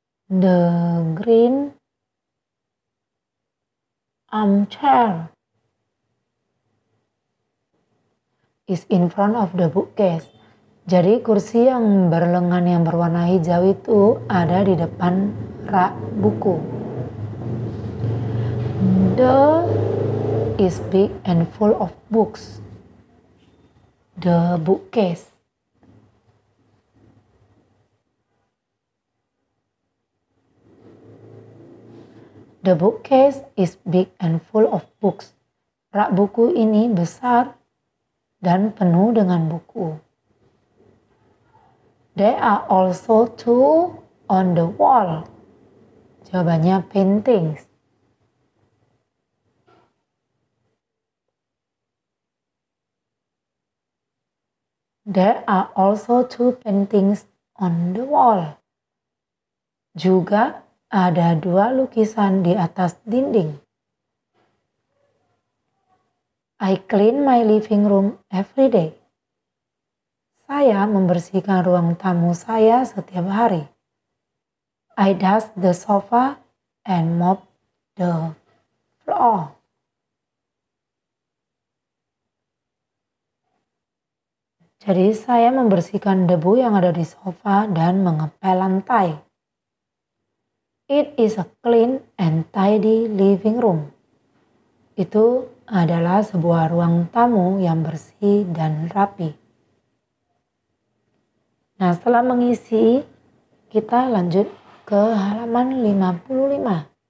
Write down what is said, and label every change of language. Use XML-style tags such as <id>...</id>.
<en>The green armchair is in front of the bookcase.</en> <id>Jadi kursi yang berlengan yang berwarna hijau itu ada di depan rak buku.</id> <en>The is big and full of books. The bookcase. The bookcase is big and full of books.</en> <id>Rak buku ini besar dan penuh dengan buku.</id> <en>There are also two on the wall.</en> <id>Jawabannya paintings.</id> <en>There are also two paintings on the wall.</en> <id>Juga ada dua lukisan di atas dinding.</id> <en>I clean my living room every day.</en> <id>Saya membersihkan ruang tamu saya setiap hari.</id> <en>I dust the sofa and mop the floor.</en> <id>Jadi saya membersihkan debu yang ada di sofa dan mengepel lantai.</id> <en>It is a clean and tidy living room.</en> <id>Itu adalah sebuah ruang tamu yang bersih dan rapi. Nah, setelah mengisi, kita lanjut ke halaman 55.</id>